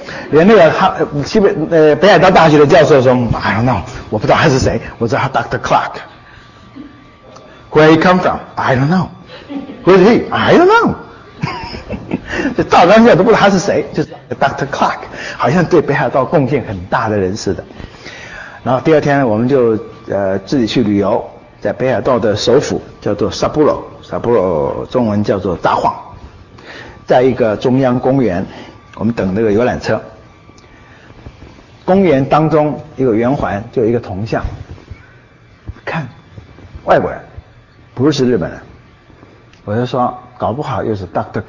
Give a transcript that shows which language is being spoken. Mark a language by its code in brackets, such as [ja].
[zh] 连那个北海道大学的教授说 [en] I don't know， [zh] 我不知道他是谁，我知道他 Dr. Clark。 [en] Where he come from I don't know， Where is he I don't know。 [zh] 就到当下都不知道他是谁，就是 Dr. Clark， 好像对北海道贡献很大的人似的。然后第二天我们就自己去旅游，在北海道的首府叫做 Sapporo， 中文叫做札幌，在一个中央公园，我们等那个游览车，公园当中一个圆环就有一个铜像，看外国人不是日本人，我就说搞不好又是 Dr.